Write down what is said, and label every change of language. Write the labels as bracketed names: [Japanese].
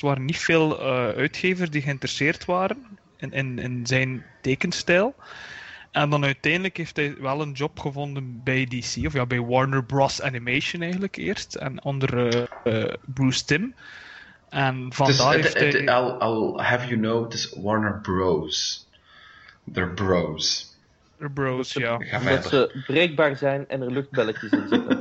[Dutch] Er waren niet veel uitgevers die geïnteresseerd waren in zijn tekenstijl. En dan uiteindelijk heeft hij wel een job gevonden bij DC, of ja, bij Warner Bros. Animation eigenlijk eerst, en onder Bruce Timm. En vandaar dus heeft hij... [English] I'll have you know, it is Warner Bros. They're bros. [Dutch] Bros, ja. Dat ze breekbaar zijn en er luchtbelletjes in zitten.